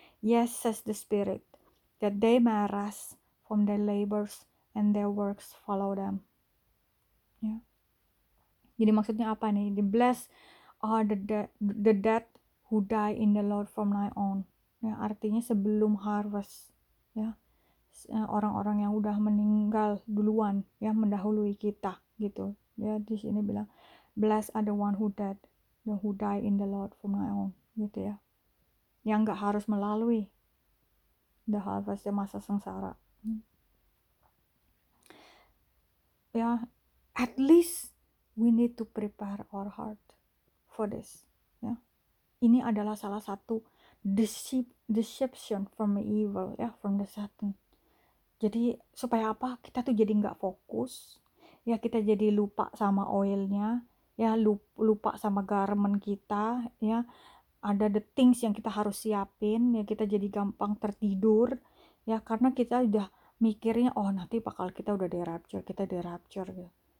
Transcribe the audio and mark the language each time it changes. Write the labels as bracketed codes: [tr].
[en] Yes, says the Spirit, that they may rest from their labors and their works follow them. Ya. Jadi maksudnya apa nih? The blessed are the dead who die in the Lord from now on. [id] Ya, artinya sebelum harvest, ya. Orang-orang yang udah meninggal duluan ya, mendahului kita gitu. [en] Ya, di sini bilang blessed are the who die in the Lord from now on gitu ya. [id] Yang gak harus melalui the harvest, ya, masa sengsara. [en] Ya, at least we need to prepare our heart for this. Ya. Ini adalah salah satu deception from evil, ya, from the Satan. [id] Jadi, supaya apa? Kita tuh jadi gak fokus. Ya, kita jadi lupa sama oilnya. Ya, lupa sama garment kita, ya. Ada the things yang kita harus siapin ya, kita jadi gampang tertidur ya, karena kita udah mikirnya oh nanti bakal kita udah di rapture gitu.